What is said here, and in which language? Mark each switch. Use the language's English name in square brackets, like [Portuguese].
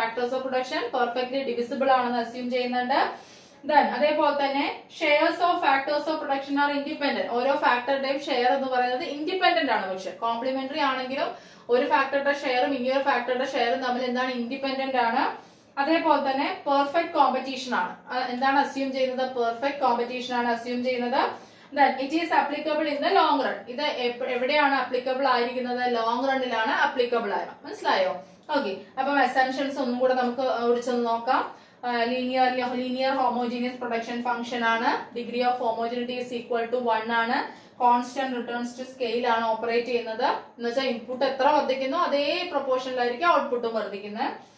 [Malayalam] Factors of production perfectly divisible ആണെന്ന് assume ചെയ്യുന്നുണ്ട്. Then അതേപോലെ തന്നെ shares of factors of production R independent, ഓരോ ഫാക്ടറുടെയും ഷെയർ എന്ന് പറയുന്നത് ഇൻഡിപെൻഡന്റ് ആണ്. പക്ഷെ കോംപ്ലിമെന്ററി ആണെങ്കിലും ഒരു ഫാക്ടറുടെ ഷെയറും ഇനി ഒരു ഫാക്ടറുടെ ഷെയറും തമ്മിൽ എന്താണ്, ഇൻഡിപെൻഡന്റ് ആണ്. അതേപോലെ തന്നെ പെർഫെക്റ്റ് കോമ്പറ്റീഷൻ ആണ്, എന്താണ് അസ്യൂം ചെയ്യുന്നത്, പെർഫെക്റ്റ് കോമ്പറ്റീഷൻ ആണ് അസ്യൂം ചെയ്യുന്നത്. [English] Then, it is applicable in the long run. [Malayalam] ഇത് എവിടെയാണ് അപ്ലിക്കബിൾ ആയിരിക്കുന്നത്, ലോങ് റണ്ണിലാണ് അപ്ലിക്കബിൾ ആയിരുന്നു. മനസ്സിലായോ? ഓക്കെ, അപ്പം അസംപ്ഷൻസ് ഒന്നും കൂടെ നമുക്ക് ഒഴിച്ചൊന്ന് നോക്കാം. ലീനിയർ ഹോമോജീനിയസ് പ്രൊഡക്ഷൻ ഫംഗ്ഷൻ ആണ്, degree of homogeneity is equal to 1 ആണ്, കോൺസ്റ്റന്റ് റിട്ടേൺസ് ടു സ്കെയിൽ ആണ് ഓപ്പറേറ്റ് ചെയ്യുന്നത് എന്ന് വെച്ചാൽ ഇൻപുട്ട് എത്ര വർദ്ധിക്കുന്നു അതേ പ്രൊപ്പോർഷനിലായിരിക്കും ഔട്ട്പുട്ടും വർദ്ധിക്കുന്നത്.